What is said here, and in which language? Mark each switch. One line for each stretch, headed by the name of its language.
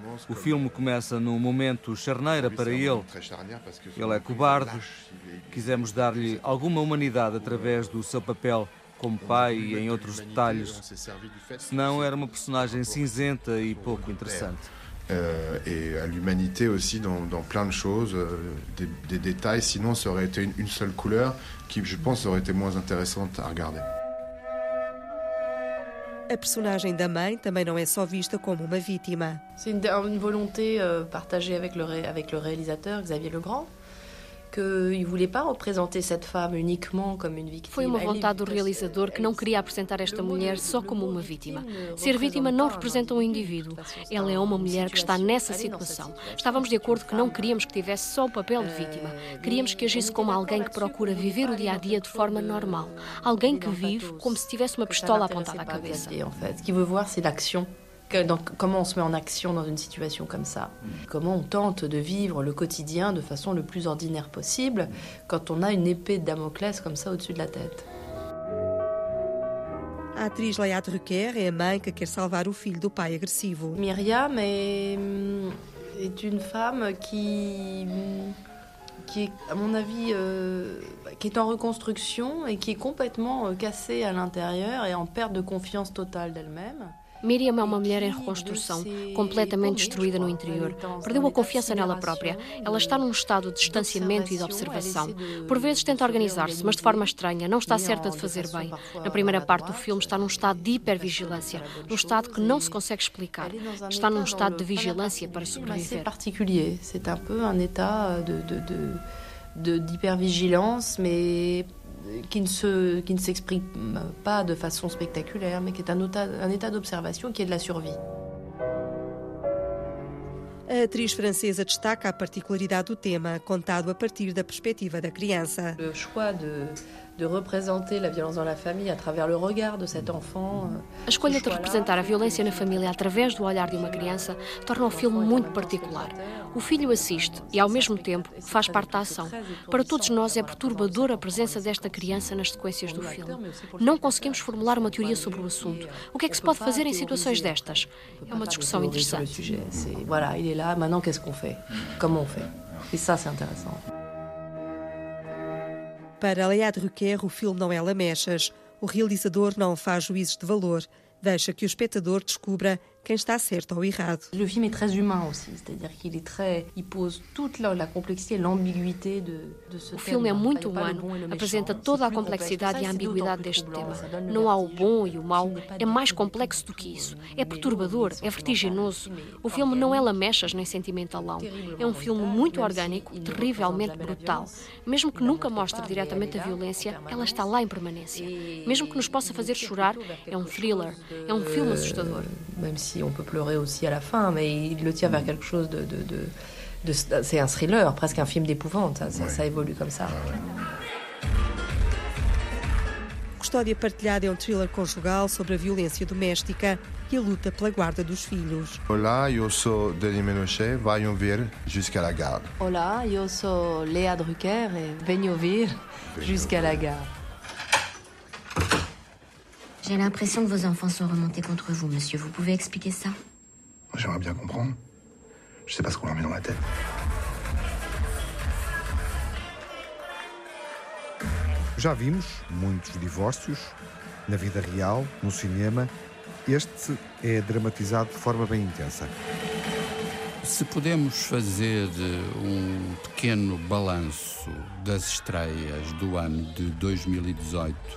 Portuguese: O filme começa num momento charneira para ele. Ele é cobarde. Quisemos dar-lhe alguma humanidade através do seu papel como pai e em outros detalhes. Senão era uma personagem cinzenta e pouco interessante.
French: E à l'humanité aussi dans plein de choses, des détails, sinon ça aurait été une seule couleur qui je pense aurait été moins intéressante à regarder.
Portuguese: A personagem da mãe também não é só vista como uma vítima.
French: C'est une volonté partagée avec le réalisateur Xavier Legrand.
Portuguese: Foi uma vontade do realizador que não queria apresentar esta mulher só como uma vítima. Ser vítima não representa um indivíduo. Ela é uma mulher que está nessa situação. Estávamos de acordo que não queríamos que tivesse só o papel de vítima. Queríamos que agisse como alguém que procura viver o dia-a-dia de forma normal. Alguém que vive como se tivesse uma pistola apontada à cabeça. O que quer ver é a ação.
French: Donc, comment on se met en action dans une situation comme ça? Comment on tente de vivre le quotidien de façon le plus ordinaire possible quand on a une épée de Damoclès comme ça au-dessus de la tête?
Portuguese: A atriz Léa Drucker é a mãe que quer salvar o filho do pai agressivo.
French: Myriam est une femme qui est, à mon avis, qui est en reconstruction et qui est complètement cassée à l'intérieur et en perte de confiance totale d'elle-même.
Portuguese: Miriam é uma mulher em reconstrução, completamente destruída no interior. Perdeu a confiança nela própria. Ela está num estado de distanciamento e de observação. Por vezes tenta organizar-se, mas de forma estranha, não está certa de fazer bem. Na primeira parte do filme está num estado de hipervigilância, num estado que não se consegue explicar. Está num estado de vigilância para sobreviver. É particular, é um pouco um estado de hipervigilância, mas...
French: qui ne s'exprime pas de façon spectaculaire, mais qui est un état d'observation qui est de la survie.
Portuguese: A atriz francesa destaca a particularidade do tema, contado a partir da perspectiva da criança.
French: Le choix de représenter la violence dans la famille à travers le regard de cet enfant.
Portuguese: A escolha de representar a violência na família através do olhar de uma criança torna o filme muito particular. O filho assiste e, ao mesmo tempo, faz parte da ação. Para todos nós é perturbador a presença desta criança nas sequências do filme. Não conseguimos formular uma teoria sobre o assunto. O que é que se pode fazer em situações destas? É uma discussão interessante.
French: Voilà, il est là, maintenant qu'est-ce qu'on fait? Comment on fait? Et ça c'est intéressant.
Portuguese: Para Léa Drucker, o filme não é lamechas. O realizador não faz juízes de valor. Deixa que o espectador descubra quem está certo ou errado. O filme é
French: très humain aussi, c'est-à-dire qu'il est très, il pose toute la complexité, l'ambiguïté de ce.
Portuguese: O filme é muito humano, apresenta toda a complexidade e a ambiguidade deste tema. Não há o bom e o mau, é mais complexo do que isso. É perturbador, é vertiginoso. O filme não é lamechas nem sentimentalão. É um filme muito orgânico, terrivelmente brutal. Mesmo que nunca mostre diretamente a violência, ela está lá em permanência. Mesmo que nos possa fazer chorar, é um thriller, é um filme assustador.
French: Si on peut pleurer aussi à la fin, mais il le tire vers quelque chose de c'est un thriller, presque un film d'épouvante. Ça évolue comme ça.
Portuguese: Custódia partilhada é um thriller conjugal sobre a violência doméstica e a luta pela guarda dos filhos. Olá, eu sou Denis Ménochet. Venham ver jusqu'à la gare. Olá, eu sou Léa Drucker e venho ver jusqu'à la gare.
French: J'ai l'impression que vos enfants sont remontés contre vous, monsieur. Vous pouvez expliquer ça? J'aimerais bien comprendre. Je sais pas ce qu'on leur met dans la tête.
Portuguese: Já vimos muitos divórcios na vida real, no cinema. Este é dramatizado de forma bem intensa. Se podemos fazer um pequeno balanço das estreias do ano de 2018...